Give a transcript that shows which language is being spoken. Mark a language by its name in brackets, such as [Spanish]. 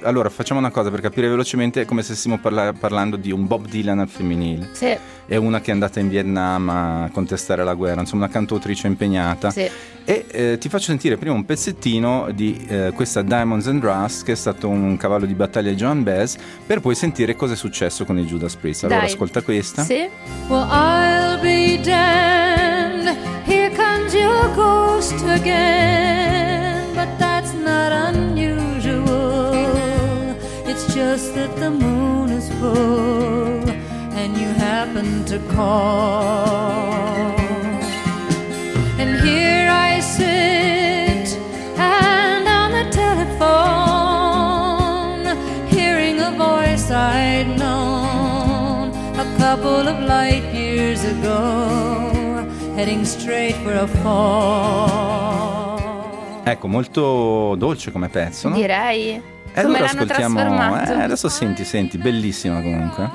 [Italian] Allora, facciamo una cosa per capire velocemente, è come se stessimo parlando di un Bob Dylan al femminile. Sì. È una che è andata in Vietnam a contestare la guerra, insomma, una cantautrice impegnata. Sì. E ti faccio sentire prima un pezzettino di questa Diamonds and Rust, che è stato un cavallo di battaglia di John Baez, per poi sentire cosa è successo con i Judas Priest. Allora, dai, ascolta questa. Sì. [English] Well, I'll be damned, here comes your ghost again. But that's not unusual, it's just that the moon is full and you happen to call. And here I sit, and on the telephone, hearing a voice I'd known a couple of light years ago, heading straight for a fall. [Italian] Ecco, molto dolce come pezzo, no? Direi. E come allora l'hanno ascoltiamo... trasformato? Adesso senti, senti, bellissima comunque.